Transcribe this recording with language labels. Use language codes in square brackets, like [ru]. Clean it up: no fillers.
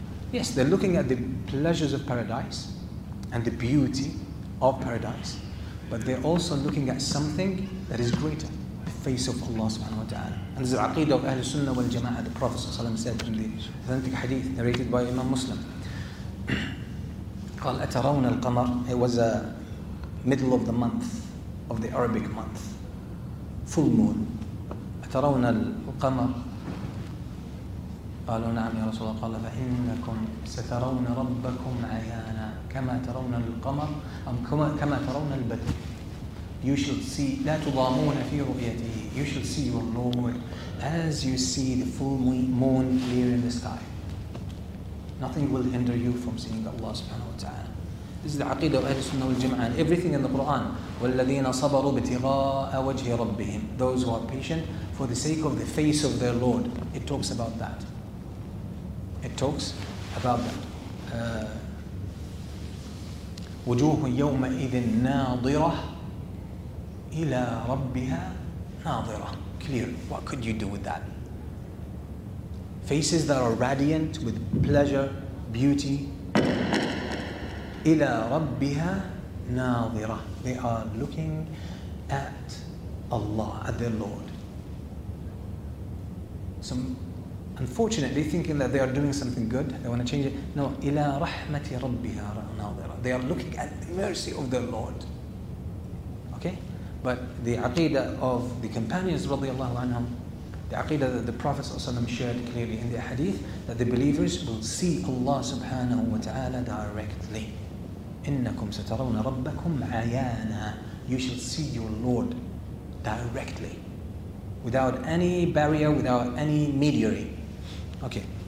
[en] Yes, they're looking at the pleasures of paradise and the beauty of paradise, but they're also looking at something that is greater, the face of Allah subhanahu wa ta'ala. And this is the aqidah of Ahlus Sunnah wal Jama'ah. The Prophet sallallahu alaihi wasallam said in the authentic hadith narrated by Imam Muslim, [ar] قال أترون القمر. [en] It was a middle of the month of the Arabic month, full moon. [ar] ترون القمر قالوا نعم يا رسول الله قال فإنكم سترون ربكم عيانا كما ترون القمر أم كما ترون البدر. [en] You shall see, [ar] لا تضامون في رؤيته. [en] You shall see your Lord as you see the full moon clear in the sky. Nothing will hinder you from seeing Allah subhanahu wa ta'ala. This is the عقيدة of أهل السنة والجماعة. Everything in the Quran. [ar] والذين صبروا ابتغاء وجه ربهم. [en] Those who are patient for the sake of the face of their Lord. It talks about that. It talks about that. [ar] وجوه يومئذ ناظرة إلى ربها ناظرة. [en] Clear. What could you do with that? Faces that are radiant with pleasure, beauty. [ar] إلى ربها ناظرة. [en] They are looking at Allah, at their Lord. Some, unfortunately, thinking that they are doing something good, they want to change it. No, [ar] إلى رحمة ربها ناظرة. [en] They are looking at the mercy of their Lord. Okay? But the aqidah of the companions [ar] رضي الله عنهم, [en] The aqeedah that the Prophet ﷺ shared clearly in the hadith, that the believers will see Allah subhanahu wa ta'ala directly. [ar] إِنَّكُمْ سَتَرَوْنَ رَبَّكُمْ عَيَانًا. [en] You shall see your Lord directly, without any barrier, without any mediary. Okay.